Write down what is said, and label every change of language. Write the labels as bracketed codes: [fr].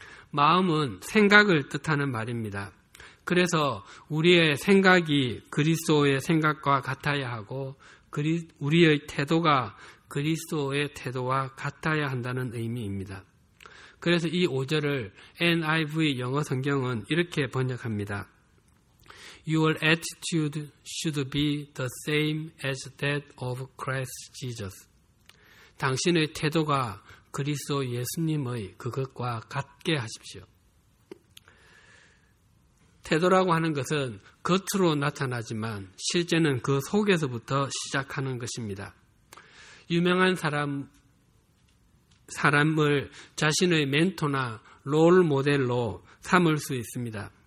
[ko] 마음은 생각을 뜻하는 말입니다. 그래서 우리의 생각이 그리스도의 생각과 같아야 하고 우리의 태도가 그리스도의 태도와 같아야 한다는 의미입니다. 그래서 이 5절을 NIV 영어 성경은 이렇게 번역합니다. [en] Your attitude should be the same as that of Christ Jesus. [ko] 당신의 태도가 그리스도 예수님의 그것과 같게 하십시오. 태도라고 하는 것은 겉으로 나타나지만 실제는 그 속에서부터 시작하는 것입니다. 유명한 사람을 자신의 멘토나 롤 모델로 삼을 수 있습니다.